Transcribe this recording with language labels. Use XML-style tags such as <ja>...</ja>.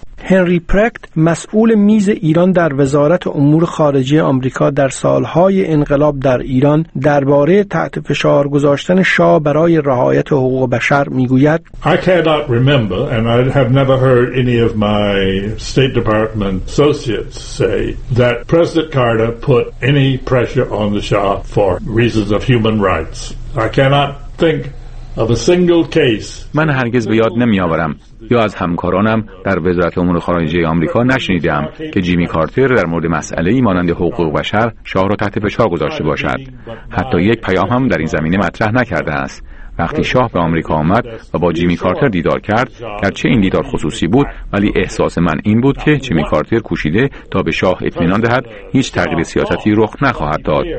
<fa>هنری پرکت، مسئول میز ایران در وزارت امور خارجه آمریکا در سالهای انقلاب در ایران، درباره تحت فشار گذاشتن شاه برای رعایت حقوق بشر میگوید:</fa> <en>I cannot remember and I have never heard any of my State Department associates say that President Carter put any pressure on the Shah for reasons of human rights. I cannot think of a single case.</en> <fa>من هرگز به یاد نمیآورم یا از همکارانم در وزارت امور خارجه آمریکا نشنیدم که جیمی کارتر در مورد مسئله ای مانند حقوق بشر شاه را تحت فشار گذاشته باشد. حتی یک پیام هم در این زمینه مطرح نکرده است. وقتی شاه به آمریکا آمد و با جیمی کارتر دیدار کرد، گرچه این دیدار خصوصی بود، ولی احساس من این بود که جیمی کارتر کوشیده تا به شاه اطمینان دهد هیچ تغییر سیاستی رخ نخواهد داد.</fa>